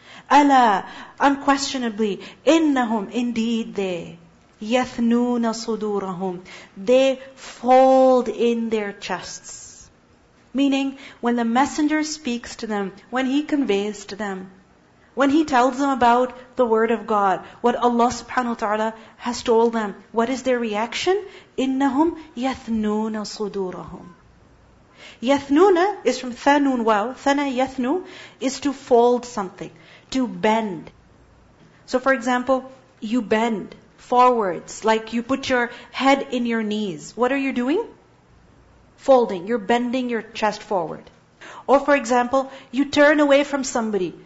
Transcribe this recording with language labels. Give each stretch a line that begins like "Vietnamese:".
English: أَلَا, unquestionably, إِنَّهُمْ, indeed they,
Arabic: يَثْنُونَ صُدُورَهُمْ,
English: they fold in their chests. Meaning, when the messenger speaks to them, when he conveys to them, when he tells them about the word of God, what Allah subhanahu wa ta'ala has told them, what is their reaction?
Arabic: إِنَّهُمْ يَثْنُونَ صُدُورَهُمْ. يَثْنُونَ is from ثَنُونَ وَاوْ.
English: ثَنَى يَثْنُ is to fold something, to bend. So for example, you bend forwards, like you put your head in your knees. What are you doing? Folding. You're bending your chest forward. Or for example, you turn away from somebody.